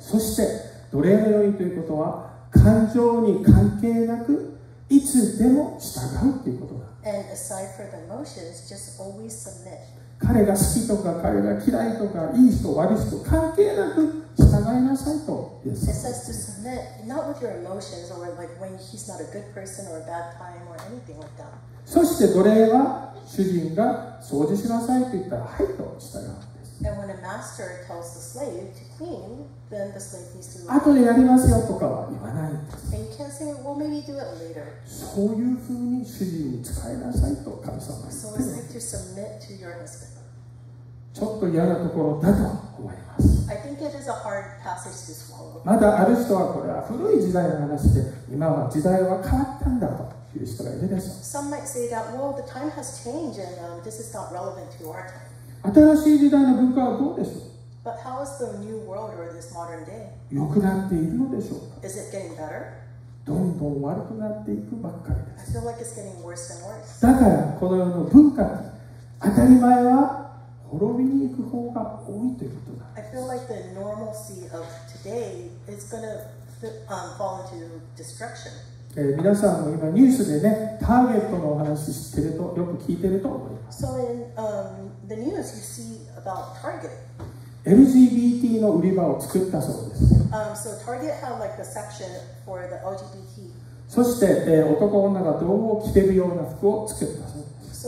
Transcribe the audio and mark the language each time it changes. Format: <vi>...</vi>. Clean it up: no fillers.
<ja>そして奴隷のようにということは感情に関係なくいつでも従うということだ。</ja> <en>And aside from the emotions, just always submit.</en> <ja>彼が好きとか彼が嫌いとかいい人悪い人関係なく従いなさいと。</ja> <en>It says to submit not with your emotions or like when he's not a good person or a bad time or anything like that.</en> <ja>そして奴隷は主人が掃除しなさいと言ったらはいと従う。</ja> <en>And when a master tells the slave to clean, then the slave needs to.</en> <ja>あとでやりますよとかは言わない。</ja> <en>And you can't say, well, maybe do it later.</en> <ja>そういうふうに主人に使いなさいと神様は。</ja> <en>So it's like to submit to your husband.</en> <ja>ちょっと嫌なところだと思います。</ja> <en>I think it is a hard passage to swallow.</en> <ja>まだある人はこれは古い時代の話で、今は時代は変わったんだという人がいるでしょう。</ja> <en>Some might say that, well, the time has changed and this is not relevant to our time.</en> <ja>新しい時代の文化はどうでしょう。良くなっているのでしょうか。</ja> <en>Is it getting better?</en> <ja>どんどん悪くなっていくばっかりです。</ja> <en>I feel like it's getting worse and worse.</en> <ja>だからこの世の文化に当たり前は滅びに行く方が多いということだ。</ja> <en>I feel like the normalcy of today is gonna fall into destruction.</en> <ja>皆さんも今ニュースでね、ターゲットのお話してるとよく聞いてると思います。</ja> <en>So in, the news you see about Target.</en> <ja>LGBT の売り場を作ったそうです。</ja> <en>So Target had like a section for the LGBT.</en> <ja>そして、男女が道具を着てるような服を作ったそうです。</ja>